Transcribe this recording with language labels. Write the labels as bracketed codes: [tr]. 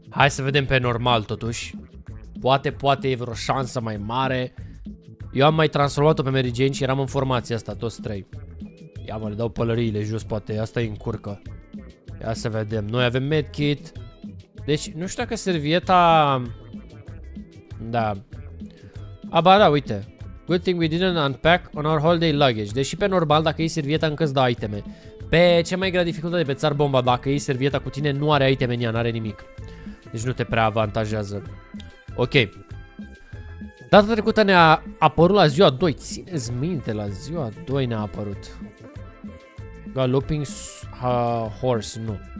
[ro] Hai să vedem pe normal totuși. Poate, poate e vreo șansă mai mare. Eu am mai transformat-o pe Mary Jane și eram în formația asta, toți trei. Ia mă, le dau pălăriile jos, poate asta îi încurcă. Ia să vedem, noi avem medkit. Deci, nu știu dacă servieta... Da. Aba, da, uite. [en] Good thing we didn't unpack on our holiday luggage. [ro] Deși pe normal, dacă iei servieta, încă îți dă iteme. Pe cea mai grea dificultate, pe Tsar Bomba, dacă iei servieta cu tine, nu are iteme în ea, n-are nimic. Deci nu te prea avantajează. Ok. Data trecută ne-a apărut la ziua 2. Țineți minte, la ziua 2 ne-a apărut. Galloping horse, nu.